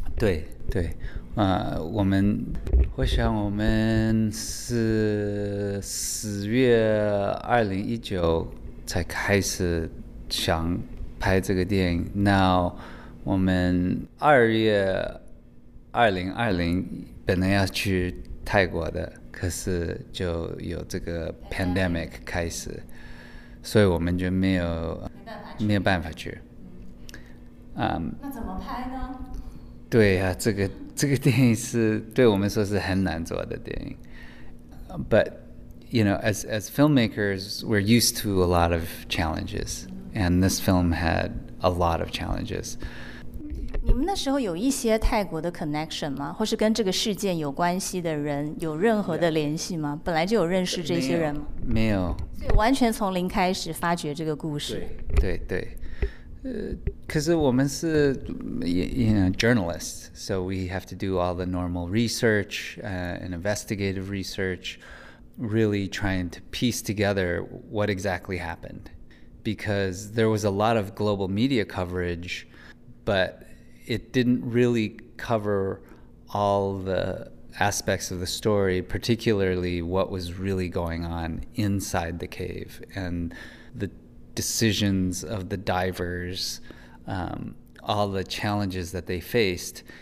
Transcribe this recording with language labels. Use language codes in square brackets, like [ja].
[zh] 对对，我们我想我们是10月2019才开始想拍这个电影，那我们2月2020本来要去泰国的，可是就有这个 pandemic 开始，所以我们就没有办法去。那怎么拍呢？对啊，这个电影是对我们说是很难做的电影。 [en] But you know, as filmmakers, we're used to a lot of challenges, and this film had a lot of challenges. [zh] 你们那时候有一些泰国的 connection 吗？或是跟这个事件有关系的人有任何的联系吗？ [en] Yeah. [zh] 本来就有认识这些人吗？没有。所以完全从零开始发掘这个故事。对对。对可是我们是 [en] you know, journalists, so we have to do all the normal research and investigative research, really trying to piece together what exactly happened. Because there was a lot of global media coverage, but it didn't really cover all the aspects of the story, particularly what was really going on inside the cave and the decisions of the divers, all the challenges that they faced.